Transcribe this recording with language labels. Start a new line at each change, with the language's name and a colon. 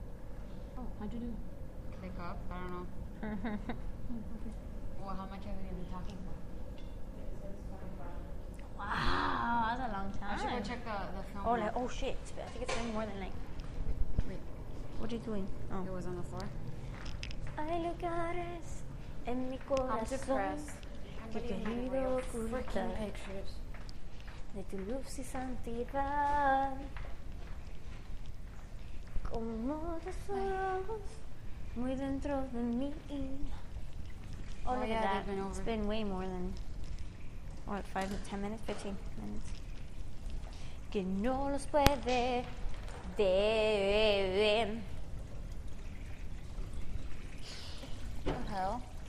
English: I'm trying to see the time. Oh, how'd you do? Click up? I don't know. Well, how much have you been talking for? Wow, that's a long time. I should go check the film. Oh, like, oh shit. I think it's more than like... Wait. What are you doing? Oh. It was on the floor.
Spanish: Hay lugares en mi corazón.
English: I'm depressed. I'm getting in the way of freaking pictures.
Spanish: De tu luz y santidad, como tus ojos, muy dentro de mí.
English: Oh yeah, that's been over. It's been way more than, what, 5 to 10 minutes? 15 minutes.
Spanish: Que no los puede de ver.
English: What the hell?